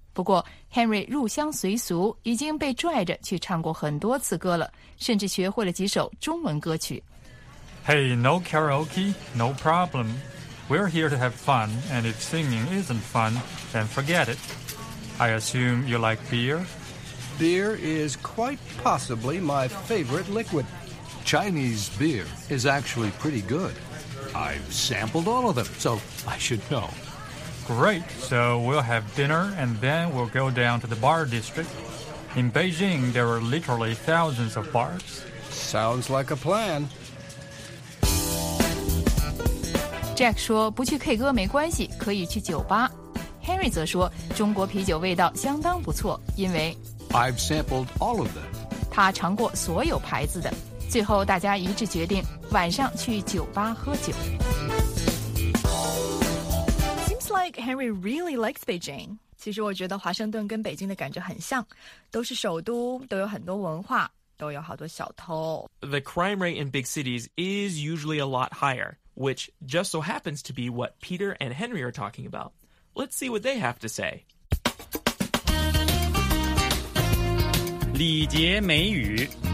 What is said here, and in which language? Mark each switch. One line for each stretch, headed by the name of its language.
Chinese: 不过 Henry 入乡随俗已经被拽着去唱过很多次歌了甚至学会了几首中文歌曲。
English: Hey, no karaoke, no problem.We're here to have fun, and if singing isn't fun, then forget it. I assume you like beer? Beer is quite possibly my favorite liquid. Chinese beer is actually pretty good. I've sampled all of them, so I should know. Great, so we'll have dinner and then we'll go down to the bar district. In Beijing, there are literally thousands of bars. Sounds like a plan.
Chinese: Jack 说不去 K 歌没关系，可以去酒吧。Henry 则说中国啤酒味道相当不错，因为
English: I've sampled all of them.
Chinese: 他尝过所有牌子的。最后大家一致决定晚上去酒吧喝酒。
English: Seems like Henry really likes Beijing.
Chinese: 其实我觉得华盛顿跟北京的感觉很像，都是首都，都有很多文化，都有好多小偷。
English: The crime rate in big cities is usually a lot higher, which just so happens to be what Peter and Henry are talking about. Let's see what they have to say.
Chinese: 礼节美语。